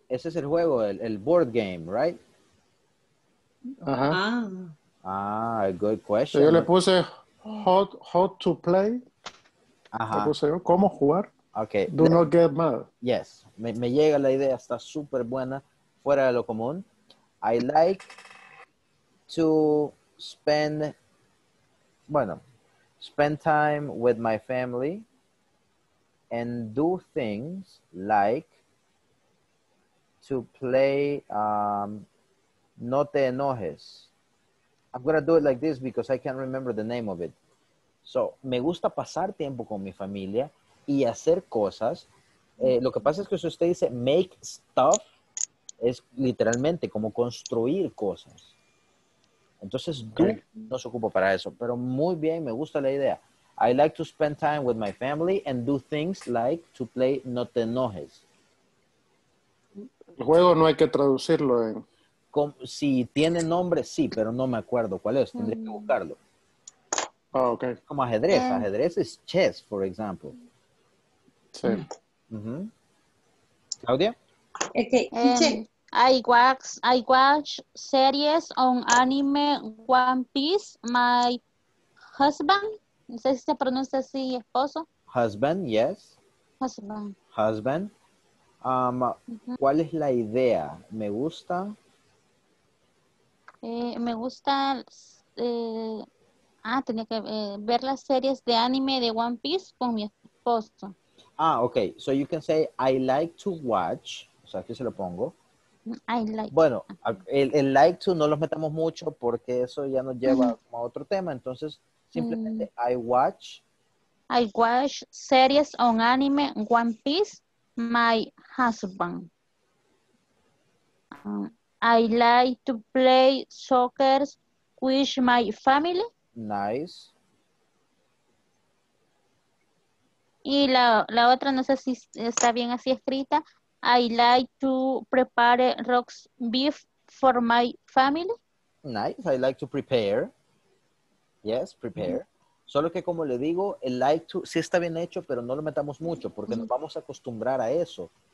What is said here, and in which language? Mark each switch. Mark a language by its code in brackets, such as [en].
[es] Ese es el juego, el [en] board game, right? Ajá. Ah, good question. [es] Yo le puse [en] how to play. Ajá. [es] Le puse yo, cómo jugar. [en] Okay. Do not get mad. Yes. [es] Me llega la idea, está súper buena, fuera de lo común. [en] I like to spend, bueno, spend time with my family. And do things like to play No Te Enojes. I'm going to do it like this because I can't remember the name of it. [es] So, me gusta pasar tiempo con mi familia y hacer cosas. Lo que pasa es que si usted dice [en] make stuff, [es] es literalmente como construir cosas. Entonces, do no se ocupa para eso. Pero muy bien, me gusta la idea. I like to spend time with my family and do things like to play No Te Enojes. El juego no hay que traducirlo. Si tiene nombre, sí, pero no me acuerdo cuál es. Tendría que buscarlo. [en] Oh, okay. [es] Como ajedrez. Ajedrez es [en] chess, for example. [es] Sí. Mm-hmm. Claudia? [en] Okay. I watch series on anime One Piece. My husband, [es] no sé si se pronuncia así, esposo. [en] Husband, yes. Husband. [es] ¿Cuál es la idea? Me gusta. Me gusta. Tenía que ver las series de anime de One Piece con mi esposo. [en] Ah, okay. So you can say, I like to watch. [es] O sea, aquí se lo pongo. [en] I like. [es] Bueno, el like to no los metamos mucho porque eso ya nos lleva a otro tema. Entonces, simplemente, [en] I watch series on anime One Piece, my husband. I like to play soccer with my family. Nice. [es] Y la otra, no sé si está bien así escrita. [en] I like to prepare roast beef for my family. Nice. I like to prepare. Yes, prepare. [es] Solo que como le digo, el like to sí está bien hecho, pero no lo metamos mucho porque nos vamos a acostumbrar a eso.